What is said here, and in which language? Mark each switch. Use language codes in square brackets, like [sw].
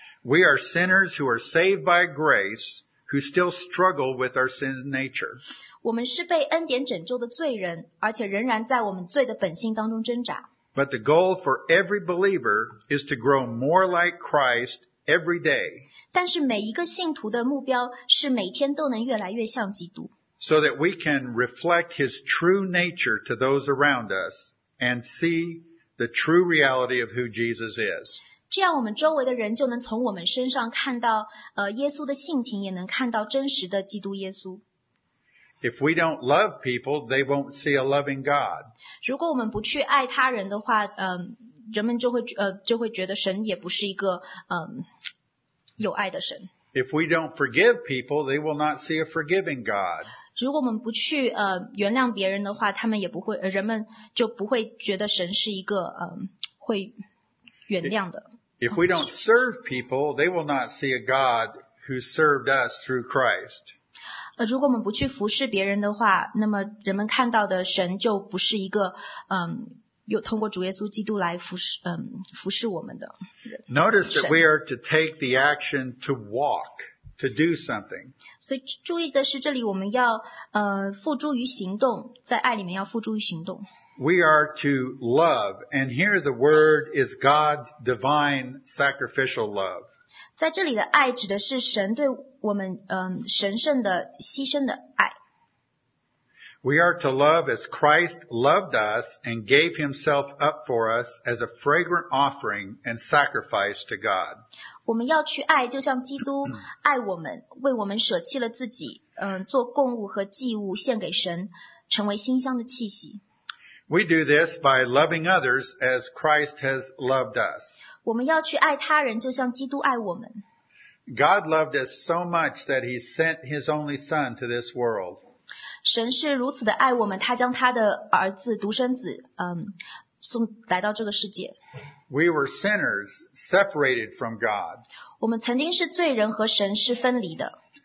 [en] We are sinners who are saved by grace, who still struggle with our sin nature. [zh] 我们是被恩典拯救的罪人，而且仍然在我们罪的本性当中挣扎。 [en] But the goal for every believer is to grow more like Christ every day. [zh] 但是每一个信徒的目标是每天都能越来越像基督。 [en] So that we can reflect His true nature to those around us and see the true reality of who Jesus is. [zh] 这样我们周围的人就能从我们身上看到耶稣的性情，也能看到真实的基督耶稣。 [en] If we don't love people, they won't see a loving God. [zh] 如果我们不去爱他人的话，人们就会觉得神也不是一个有爱的神。 [en] If we don't forgive people, they will not see a forgiving God. [zh] 如果我们不去原谅别人的话，他们也不会，人们就不会觉得神是一个会原谅的。 [en] If we don't serve people, they will not see a God who served us through Christ. [zh] 如果我们不去服侍别人的话，那么人们看到的神就不是一个有通过主耶稣基督来服侍我们的。 [en] Notice that we are to take the action to walk, to do something. [zh] 所以注意的是，这里我们要付诸于行动，在爱里面要付诸于行动。 [en] We are to love, and here the word is God's divine sacrificial love. [zh] 在这里的爱指的是神对我们神圣的牺牲的爱。 [en] We are to love as Christ loved us and gave himself up for us as a fragrant offering and sacrifice to God. [zh] 我们要去爱，就像基督爱我们，为我们舍弃了自己，做供物和祭物献给神，成为馨香的气息。 [en] We do this by loving others as Christ has loved us. [zh] 我们要去爱他人，就像基督爱我们。 [en] God loved us so much that he sent his only son to this world. [zh] 神是如此的爱我们，他将他的儿子独生子送来到这个世界。 [en] We were sinners separated from God. [zh] 我们曾经是罪人，和神是分离的。